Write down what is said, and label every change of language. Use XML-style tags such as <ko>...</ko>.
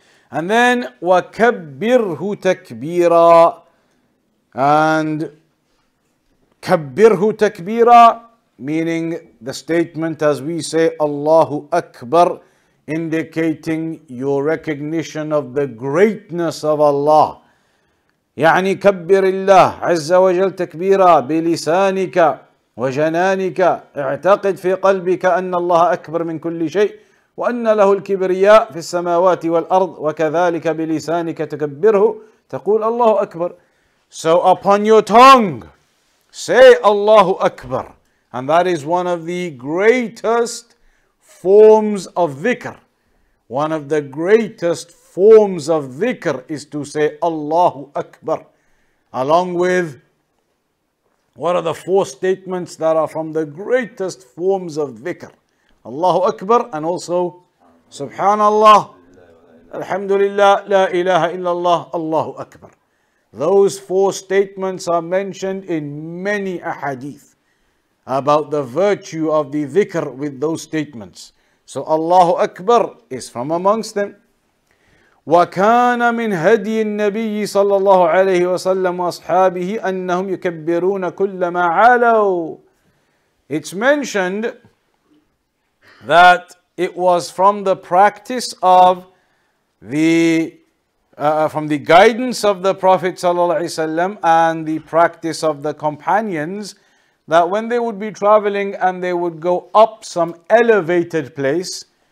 <en>And then,</en> <ar>وَكَبِّرْهُ تَكْبِيرًا.</ar> <en>And</en> <ar>كَبِّرْهُ تَكْبِيرًا,</ar> <en>meaning the statement as we say, Allahu Akbar, indicating your recognition of the greatness of Allah.</en> <ar>يعني كبر الله عز وجل تكبيرا بلسانك وجنانك اعتقد في قلبك أن الله أكبر من كل شيء وأن له الكبرياء في السماوات والأرض وكذلك بلسانك تكبره تقول الله أكبر.</ar> <en>So upon your tongue say</en> <ar>الله أكبر,</ar> <en>and that is one of the greatest forms of dhikr. One of the greatest forms of dhikr is to say Allahu Akbar, along with what are the four statements that are from the greatest forms of dhikr? Allahu Akbar, and also Subhanallah, Alhamdulillah, La ilaha illallah, Allahu Akbar. Those four statements are mentioned in many ahadith about the virtue of the dhikr with those statements. So Allahu Akbar is from amongst them.</en> <ar>وكان من هدي النبي صلى الله عليه وسلم وأصحابه أنهم يكبرون كل ما علوا.</ar> <en>It's mentioned that it was from the practice of the guidance of the Prophet</en> <ar>صلى الله عليه وسلم</ar> <en>and the practice of the companions that when they would be traveling and they would go up some elevated place,</en>